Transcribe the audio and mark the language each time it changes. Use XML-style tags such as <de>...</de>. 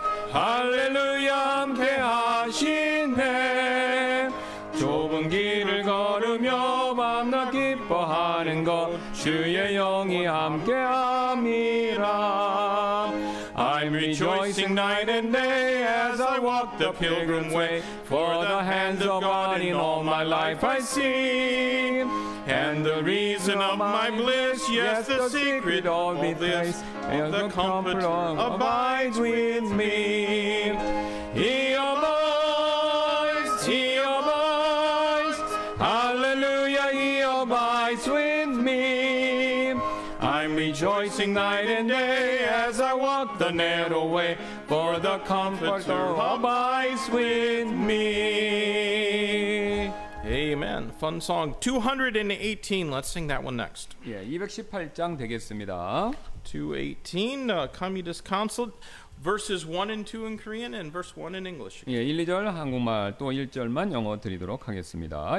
<ko>할렐루야 함께하시네. 좁은 길을 걸으며 밤낮 기뻐하는 것 주의 영이 함께함이라.</ko> <en>I'm rejoicing night and day as I walk the pilgrim way, for the hands of God in all my life I see. And the reason of my bliss, yes, the secret of all this, and the comfort abides with me. He abides, He abides, hallelujah, He abides with me. I'm rejoicing night and day as I walk the narrow way, for the comforter abides with me. Amen. Fun song 218. Let's sing that one next.</en> <ko>예, 218장 되겠습니다. 218.</ko> <en>Communist Council, verses 1 and 2 in Korean and verse 1 in English.</en> <ko>예, 1, 2절 한국말 또 1절만 영어 드리도록 하겠습니다.</ko>